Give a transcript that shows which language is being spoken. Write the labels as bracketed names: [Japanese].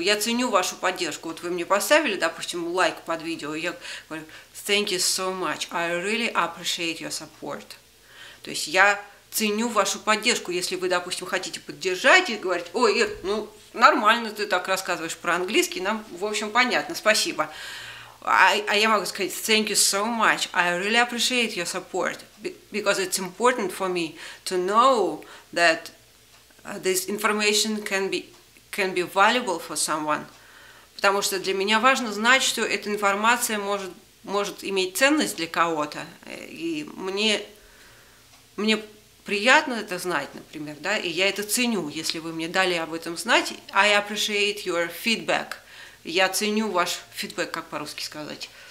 [Russian] Я ценю вашу поддержку. Вот вы мне поставили, допустим, лайк под видео, я говорю [English] thank you so much, I really appreciate your support. [Russian] То есть я ценю вашу поддержку. Если вы, допустим, хотите поддержать и говорить, ой, Ир, ну, нормально ты так рассказываешь про английский, нам, в общем, понятно, спасибо. А я могу сказать [English] thank you so much, I really appreciate your support, because it's important for me to know that this information can be valuable for someone. [Russian] Потому что для меня важно знать, что эта информация может иметь ценность для кого-то. И мне приятно это знать, например, да, и я это ценю, если вы мне дали об этом знать. [English] I appreciate your feedback. [Russian] Я ценю ваш feedback, как по-русски сказать.